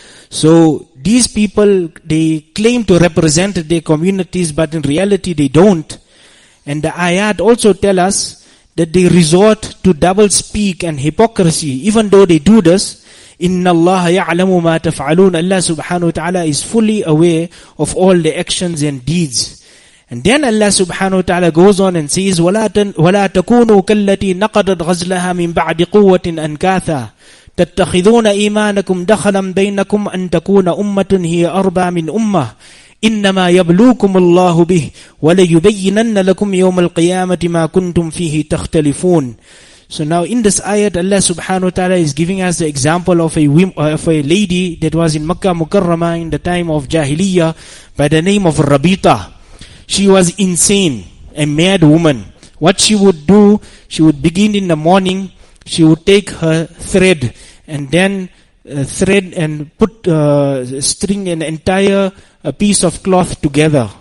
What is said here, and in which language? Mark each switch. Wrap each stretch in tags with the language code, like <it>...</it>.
<en>So these people, they claim to represent their communities, but in reality they don't. And the ayat also tell us that they resort to double speak and hypocrisy. Even though they do this,</en> <ar>إِنَّ اللَّهَ يَعْلَمُ مَا تَفْعَلُونَ.</ar> <en>Allah subhanahu wa ta'ala is fully aware of all the actions and deeds. And then Allah subhanahu wa ta'ala goes on and says,</en> <ar>وَلَا تَكُونُوا كَالَّتِي نَقَدَتْ غَزْلَهَا مِنْ بَعْدِ قُوَّةٍ أَنْكَاثًا تَتَّخِذُونَ إِيمَانَكُمْ دَخَلًا بَيْنَكُمْ أَنْ تَكُونَ أُمَّةٌ هِيَ أَرْبَى مِنْ أُمَّةٍ إِنَّمَا يَبْلُوكُمُ اللَّهُ بِهِ وَلَيُبَيِّنَنَّ لَكُمْ يَوْمَ الْقِيَامَةِ مَا كُنْتُمْ فِيهِ تَخْتَلِفُونَ.</ar> <en>So now in this ayat, Allah subhanahu wa ta'ala is giving us the example of a lady that was in Makkah Mukarramah in the time of Jahiliyyah by the name of Rabita. She was insane, a mad woman. What she would do, she would begin in the morning, she would take her thread and then thread and put string an entire piece of cloth together.</en>